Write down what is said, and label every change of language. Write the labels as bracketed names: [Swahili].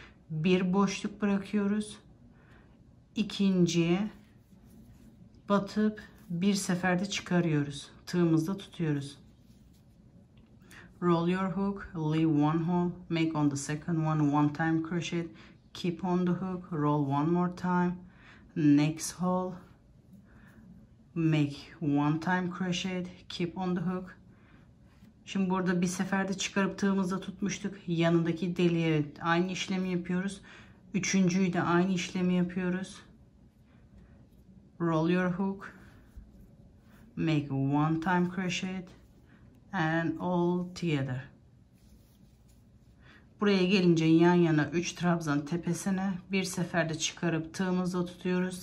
[Turkish] Bir boşluk bırakıyoruz, ikinciye batıp bir seferde çıkarıyoruz. Tığımızda tutuyoruz. [English] Roll your hook, leave one hole, make on the second one, one time crochet, keep on the hook, roll one more time, next hole, make one time crochet, keep on the hook. [Turkish] Şimdi burada bir seferde çıkarıp tığımızda tutmuştuk. Yanındaki deliğe aynı işlemi yapıyoruz. Üçüncüyü de aynı işlemi yapıyoruz. [English] Roll your hook, make one time crochet and all together. [Turkish] Buraya gelince yan yana 3 trabzan tepesine bir seferde çıkarıp tığımızda tutuyoruz.